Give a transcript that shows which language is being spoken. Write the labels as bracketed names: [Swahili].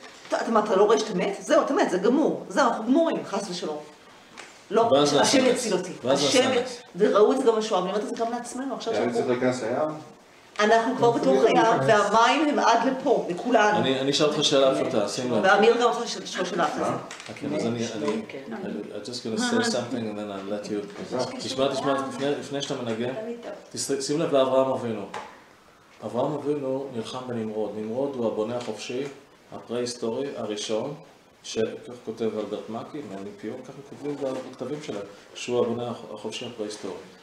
[Hebrew] אתה לא רואה שאתה מת? זהו, אתה מת, זה גמור. זהו, אנחנו גמורים, חס ושלום. לא, השם יציל אותי. השם, וראו את זה גם השואה, אני אומרת את זה גם לעצמנו. עכשיו שאני צריך להיכנס לים? אנחנו כבר בתוך הים, והמים הם עד לפה, לכולנו. אני אשאל אותך שאלה פשוטה, שים לב. ואמיר גם עושה שאלה אחת. כן, אז אני... [English] I'm just gonna say something and then I'll let you... [Hebrew] תשמע, לפני שאתה מנגן, שים לב לאברהם אבינו. אברהם אבינו נלחם בנמרוד. נמרוד הוא הבונה החופשי, הפרה-היסטורי הראשון, שכך כותב אלברט מקי, מני פיור, ככה כותבים בכתבים שלהם, שהוא הבונה החופשי הפרה-היסטורי.